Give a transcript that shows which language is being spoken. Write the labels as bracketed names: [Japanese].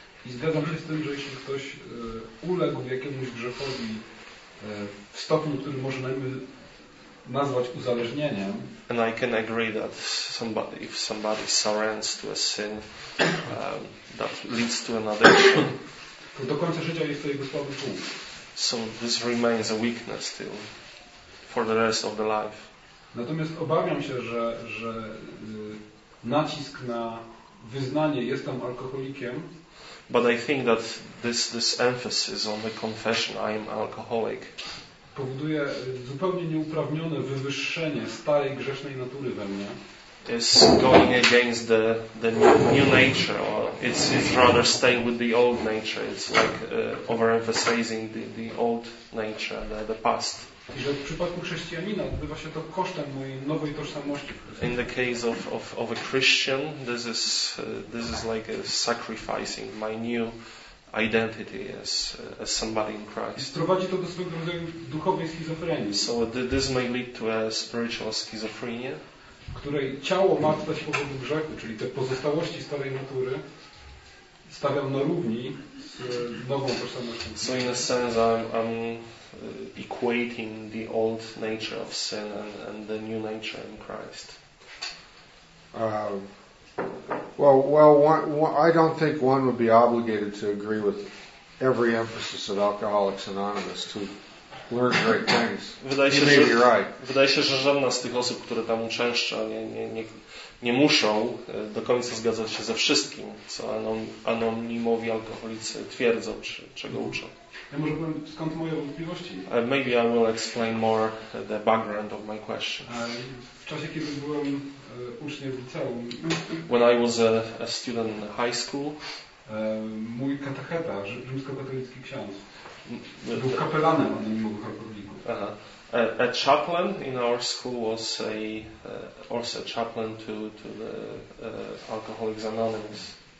[Polish] I zgadzam się z tym, że jeśli ktoś uległ jakiemuś grzechowi w stopniu, który można nazwać uzależnieniem. [English] And I can agree that somebody, if somebody surrenders to a sin that leads to an addiction. [Polish] To do końca życia jest to jego słaby punkt. [English] So this remains a weakness still for the rest of the life. [Polish] Natomiast obawiam się, że nacisk na wyznanie jestem alkoholikiem. [English] But I think that this emphasis on the confession I am alcoholic [Polish] powoduje zupełnie nieuprawnione wywyższenie starej grzesznej natury we mnie. [English] Is going against the new nature, or it's rather staying with the old nature. It's like overemphasizing the old nature, the past. [Polish] I że w przypadku chrześcijanina odbywa się to kosztem mojej nowej tożsamości. [English] In the case of a Christian, this is like sacrificing my new identity as somebody in Christ. [Polish] I prowadzi to do swego rodzaju duchowej schizofrenii. [English] So this may lead to a spiritual schizophrenia, [Polish] której ciało martwia się powodu grzechu, czyli te pozostałości starej natury stawiam na równi z nową tożsamością. [English] So in a sense I'm equating the old nature of sin and the new nature in Christ. I don't think one would be obligated to agree with every emphasis of Alcoholics Anonymous to learn great things. [Polish] Wydaje się, że żadna z tych osób, które tam uczęszcza, nie muszą do końca zgadzać się ze wszystkim, co anonimowi alkoholicy twierdzą, czy czego uczą. Ja może powiem, skąd moje wątpliwości? [English] Maybe I will explain more the background of my question. [Polish] W czasie, kiedy byłem uczniem w liceum, [English] when I was a student in high school, [Polish] mój katecheta, rzymskokatolicki ksiądz, był kapelanem anonimowych alkoholików. [English] A chaplain in our school was also a chaplain to the Alcoholics Anonymous.